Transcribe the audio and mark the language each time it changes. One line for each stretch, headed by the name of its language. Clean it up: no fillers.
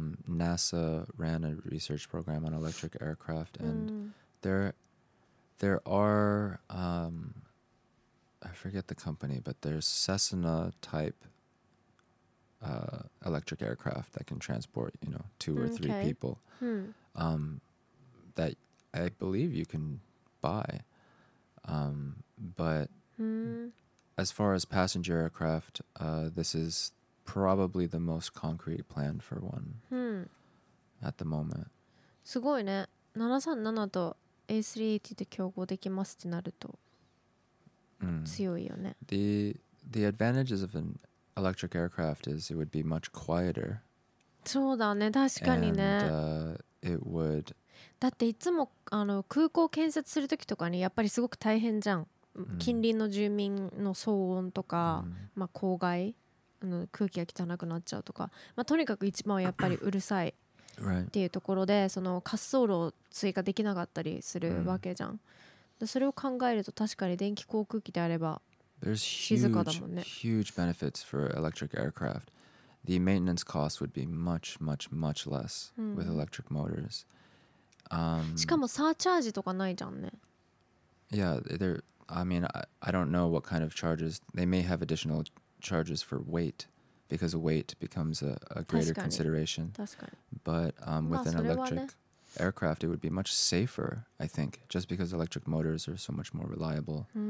English: NASA ran a research program on electric aircraft, and there are, I forget the company, but there's Cessna-type electric aircraft that can transport, you know, two or three people that I believe you can buy. But... Hmm. As far as passenger aircraft, this is probably the most concrete plan for one at the moment.
Japanese: すごいね。 737と A380 で競合できますってなると強いよね。
English: The advantages of an electric aircraft is it would be much quieter.
Japanese: そうだね、確かにね。
English: And it would...
Japanese: だっていつもあの空港建設するときとかにやっぱりすごく大変じゃん。近隣の住民の騒音とか、まあ、公害あの空気が汚くなっちゃうとか、まあ、とにかく一番はやっぱりうるさいっていうところで、
English: right.
Japanese: その滑走路を追加できなかったりするわけじゃん、mm. それを考えると確かに電気航空機であれば静かだもんね。
English: There's huge benefits for electric aircraft. the maintenance cost would be much, much, much less with electric motors.
Japanese: しかもサーチャージとかないじゃんね。
English: Yeah, they're, I mean, I don't know what kind of charges. They may have additional charges for weight, because weight becomes a greater consideration.
Japanese: 確かに。
English: But with an electric aircraft, it would be much safer, I think, just because electric motors are so much more reliable.